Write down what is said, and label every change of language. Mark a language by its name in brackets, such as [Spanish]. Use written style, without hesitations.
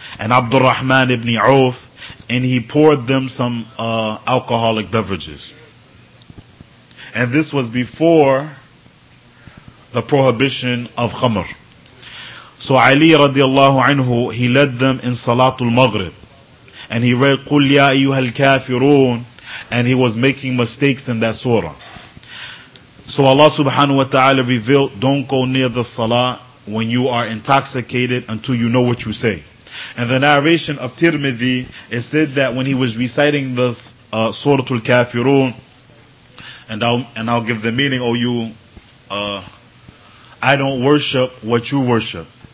[English] and Abdurrahman ibn Auf, and he poured them some alcoholic beverages. And this was before the prohibition of khamr. So Ali radiallahu anhu, he led them in Salatul Maghrib. And he read, [Arabic] قُلْ يَا أَيُّهَا الْكَافِرُونَ. [English] And he was making mistakes in that surah. So Allah subhanahu wa ta'ala revealed, don't go near the salah when you are intoxicated until you know what you say. And the narration of Tirmidhi, it said that when he was reciting this Surah Al-Kafirun, and I'll give the meaning, oh you, I don't worship what you worship.